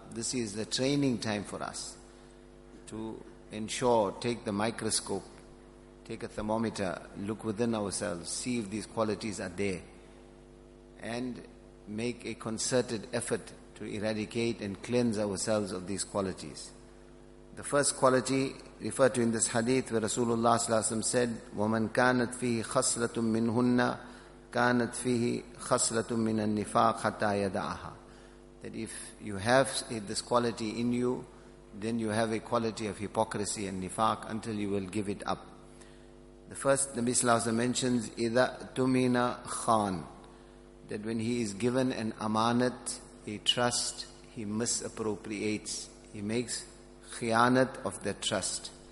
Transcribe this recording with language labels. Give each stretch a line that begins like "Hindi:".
English: This is the training time for us to ensure, take the microscope, take a thermometer, look within ourselves, see if these qualities are there, and make a concerted effort to eradicate and cleanse ourselves of these qualities. The first quality referred to in this hadith where Rasulullah said,
Arabic: وَمَنْ كَانَتْ فِيهِ خَصْلَةٌ مِّنْهُنَّ كَانَتْ فِيهِ خَصْلَةٌ مِّنَ النِّفَاقِ حَتَّى يَدَعَهَا.
English: That if you have this quality in you, then you have a quality of hypocrisy and nifaq until you will give it up. The first, Nabi Sallallahu Alaihi mentions,
Arabic: إِذَا تُمِنَ خَان,
English: that when he is given an amanat, a trust, he misappropriates, he makes khiyanat of the trust.